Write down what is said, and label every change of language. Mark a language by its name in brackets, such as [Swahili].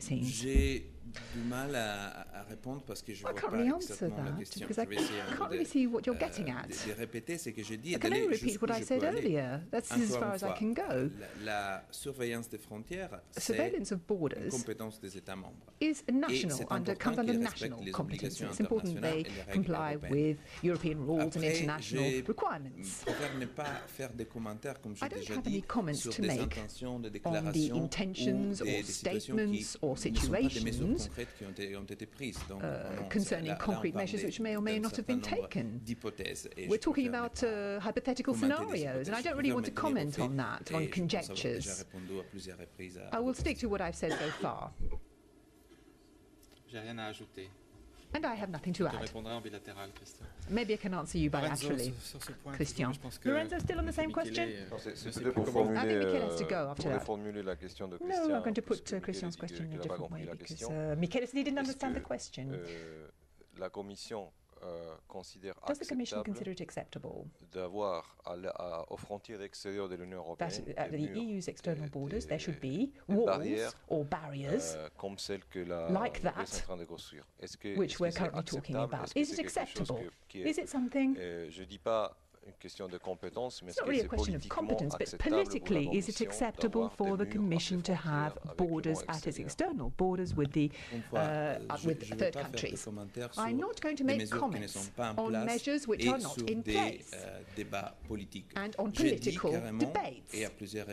[French] J'ai du mal à répondre parce que je ne vois pas exactement la question. Je vais essayer de répéter ce que j'ai dit. [English] Can I repeat what I said earlier? That's as far as I can go. [French] La surveillance des frontières, c'est une compétence des États membres. [English] Is national under comes under national competence. It's important they comply with European rules and international requirements. [French] Je ne pourrais pas faire des commentaires comme j'ai déjà dit sur des intentions, des déclarations ou des situations qui ne sont pas des mesures concrètes qui ont été prises. Donc, [English] concerning concrete measures which may or may not have been taken. We're talking about hypothetical scenarios, and I don't really want to comment on that, on conjectures. I will stick to what I've said so far. And I have nothing to add. Maybe I can answer you bilaterally, Christian. Lorenzo, still on the same question? I think Michele has to go after that. No, I'm going to put Christian's question in a different way, because Michele said he didn't understand the question. [French] La commission... considère [English] Does the Commission consider it acceptable [French] d'avoir aux frontières extérieures de l'Union européenne [English] that at the EU's external borders there should be walls or barriers [French] comme celle que [English] like that [French] en train de construire. Est-ce que, [English] which [French] est-ce [English] we're [French] que [English] currently talking about? Is it acceptable? Is it something? [French] Je dis pas une question de compétence, mais [English] it's not really a question of competence, but politically, is it acceptable for the Commission to have borders at its external borders with the with third countries? I'm not going to make comments on measures which are not in place and on political debates.